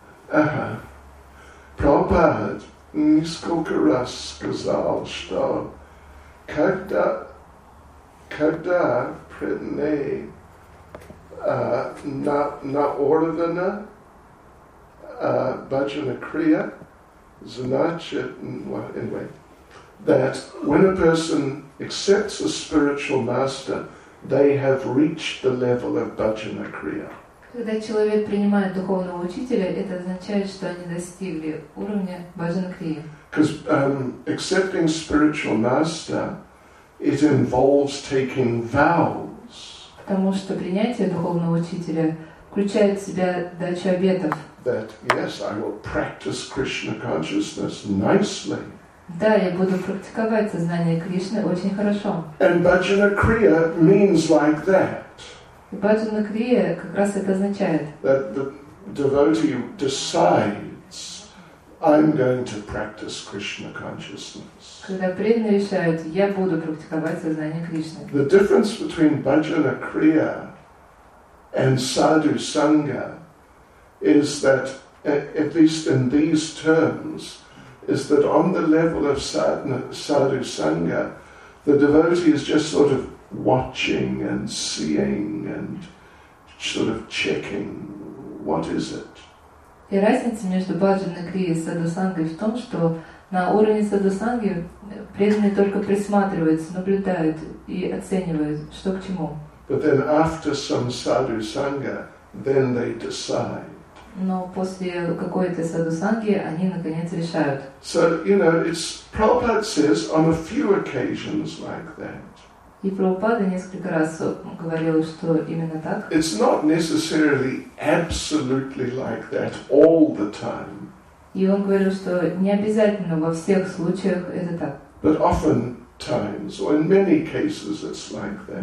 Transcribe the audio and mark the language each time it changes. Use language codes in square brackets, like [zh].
[ru] Ага. Прабхупада несколько раз сказал, что когда преданный на уровне Bhajana Kriya, значит, [en] anyway, that when a person accepts a spiritual master, they have reached the level of bhajana kriya. [ru] Когда человек принимает духовного учителя, это означает, что они достигли уровня bhajana kriya. [en] Because accepting spiritual master, it involves taking vows. [ru] Потому что принятие духовного учителя включает в себя дачу обетов. [en] That yes, I will practice Krishna consciousness nicely. [ru] Да, я буду практиковать сознание Кришны очень хорошо. [en] And bhajana kriya means like that. [ru] Bhajana kriya как раз это означает. [en] That the devotee decides, I'm going to practice Krishna consciousness. [ru] Когда преданный решает, я буду практиковать сознание Кришны. [en] The difference between bhajana kriya and sadhu sangha is that, at least in these terms, is that on the level of sadhu sangha, the devotee is just sort of watching and seeing and sort of checking what is it. [ru] И разница между bhajana kriya и sadhu sangha в том, что на уровне sadhu sangha преданный только присматривается, наблюдает и оценивает, что к чему. [en] But then after some sadhu sangha, then they decide. [ru] Но после какой-то садусанги они наконец решают. [en] So, you know, it's Prabhupada says on a few occasions like that. [ru] И Прабхупада несколько раз говорил, что именно так. [en] It's not necessarily absolutely like that all the time. [ru] И он говорил, что не обязательно во всех случаях это так. [en] But often times, or in many cases it's like that.